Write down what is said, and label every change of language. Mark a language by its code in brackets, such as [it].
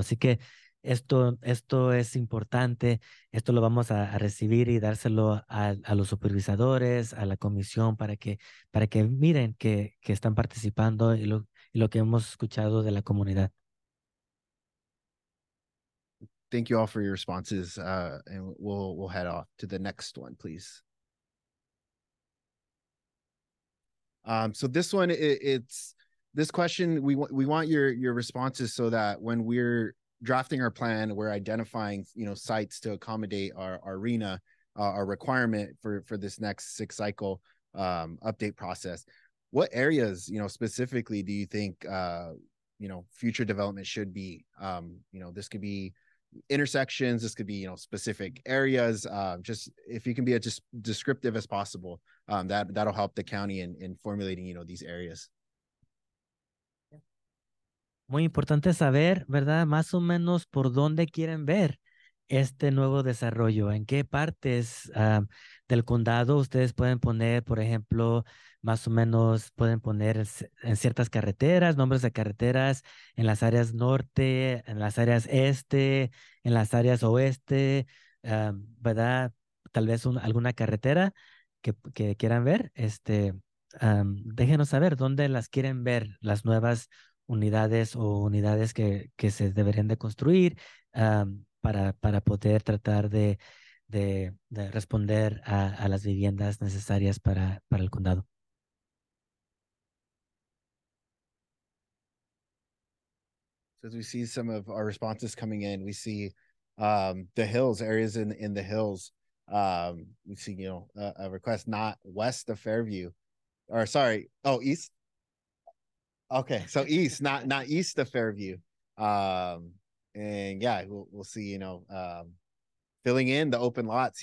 [es] Así que esto es importante, esto lo vamos a recibir y dárselo a los supervisadores, a la comisión, para que miren que están participando y lo que hemos escuchado de la comunidad. [en] Thank you all for your responses, and we'll head off to the next one, please. So this one, it's this question, we want your responses so that when we're drafting our plan, we're identifying, you know, sites to accommodate our RENA, our requirement for this next six cycle update process. What areas, you know, specifically do you think, you know, future development should be? You know, this could be intersections, this could be, you know, specific areas, just if you can be as just descriptive as possible, that'll help the county in formulating, you know, these areas. [es] Muy importante saber, ¿verdad? Más o menos por dónde quieren ver este nuevo desarrollo, en qué partes del condado ustedes pueden poner, por ejemplo, más o menos pueden poner en ciertas carreteras, nombres de carreteras, en las áreas norte, en las áreas este, en las áreas oeste, ¿verdad? Tal vez alguna carretera que quieran ver. Déjenos saber dónde las quieren ver, las nuevas unidades o unidades que se deberían de construir para poder tratar de responder a las viviendas necesarias para el condado. [en] So as we see some of our responses coming in, we see the hills, areas in the hills. We see, you know, a request not west of Fairview, or sorry, oh, east. Okay, so east, not east of Fairview. And yeah, we'll see, you know, filling in the open lots.